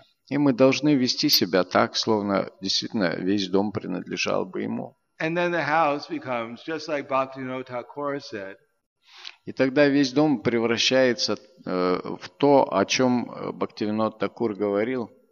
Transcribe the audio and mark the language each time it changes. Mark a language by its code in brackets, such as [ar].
[ru] И мы должны вести себя так, словно действительно весь дом принадлежал бы ему. [en] And then the house becomes just like Bhaktivinoda Thakur said. [ru] И тогда весь дом превращается в то, о чем Бхактивинода Такур говорил.